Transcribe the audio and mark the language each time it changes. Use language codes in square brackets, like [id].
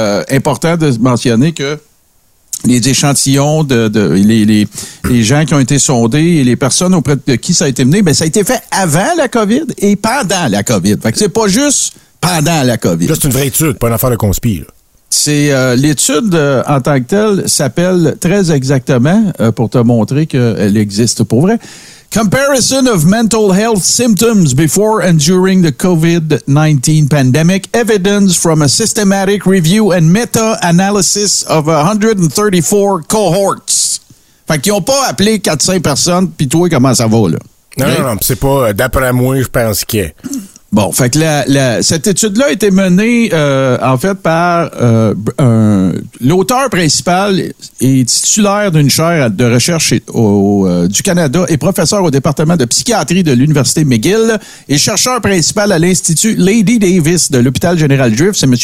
[fr] Important de mentionner que les échantillons les gens qui ont été sondés et les personnes auprès de qui ça a été mené, ben ça a été fait avant la COVID et pendant la COVID. Fait que c'est pas juste pendant la COVID. Là, c'est une vraie étude, pas une affaire de conspi. C'est l'étude en tant que telle s'appelle très exactement pour te montrer qu'elle existe pour vrai. [en] Comparison of mental health symptoms before and during the COVID-19 pandemic. Evidence from a systematic review and meta-analysis of 134 cohorts. [fr] Fait qu'ils n'ont pas appelé 400 personnes, puis toi, comment ça va, là? Non, c'est pas d'après moi, je pense qu'il y a. Bon, fait que cette étude-là a été menée, par l'auteur principal et titulaire d'une chaire de recherche du Canada et professeur au département de psychiatrie de l'Université McGill et chercheur principal à l'Institut Lady Davis de l'Hôpital Général Juif, c'est M.